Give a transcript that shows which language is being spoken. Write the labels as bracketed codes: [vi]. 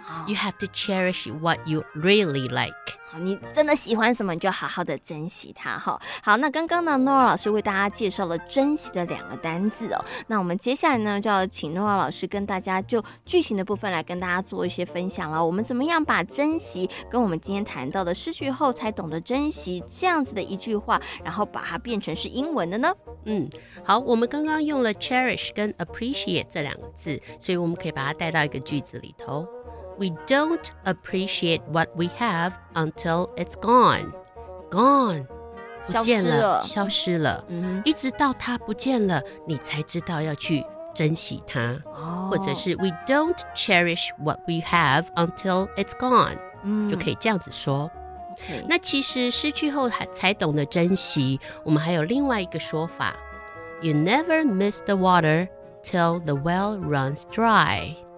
[en] You have to cherish what you really like. [zh] 你真的喜欢什么，你就好好的珍惜它。好，那刚刚呢 ，Nora 老师为大家介绍了珍惜的两个单字哦。那我们接下来呢，就要请 Nora 老师跟大家就句型的部分来跟大家做一些分享了。我们怎么样把珍惜跟我们今天谈到的失去后才懂得珍惜这样子的一句话，然后把它变成是英文的呢？好，我们刚刚用了 cherish 跟 appreciate 这两个字，所以我们可以把它带到一个句子里头。 [en] We don't appreciate what we have until it's gone. Gone. [zh] 不见了，消失了。消失了。一直到它不见了，你才知道要去珍惜它。或者是 [en] We don't cherish what we have until it's gone. [zh] 就可以这样子说。那其实失去后才懂得珍惜，我们还有另外一个说法。 [en] You never miss the water till the well runs dry.